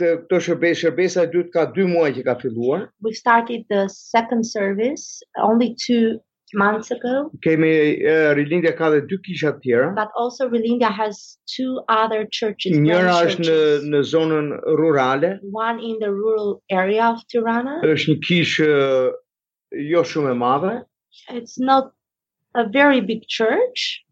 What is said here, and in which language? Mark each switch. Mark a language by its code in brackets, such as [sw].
[sq] Shërbesa dytë ka 2 muaj që ka filluar. [en] We started the second service only 2 months ago. [sq] Kemi Rilindja ka dhe 2 kisha të tjera. [en] But also Rilindja has 2 other churches. [sq] Njëra është në zonën rurale. [en] One in the rural area of Tirana. [sq] Është një kishë jo shumë e madhe. [en] It's not a very big church.